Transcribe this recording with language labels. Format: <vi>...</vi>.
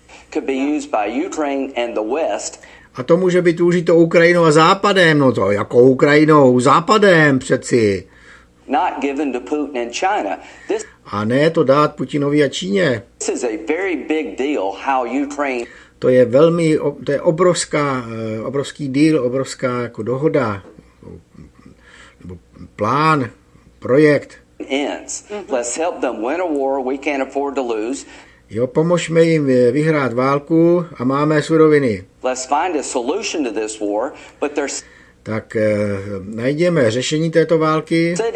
<en>Could be used by Ukraine and the West.</en> <cs>A to může být užito Ukrajinou a Západem, no to jako Ukrajinou, Západem přeci.</cs> <en>Not given to Putin and China. This,</en> <cs>a ne to dát Putinovi a Číně.</cs> <en>This is a very big deal how Ukraine.</en> <cs>To je velmi, to je obrovský deal, obrovská jako dohoda, nebo plán, projekt.</cs> <en>Ends. Let's help them win a war we can't afford to lose.</en> <cs>Jo, pomožme jim vyhrát válku a máme suroviny.</cs> <en>Let's find a solution to this war, but there's.</en> <cs>Tak najdeme řešení této války.</cs>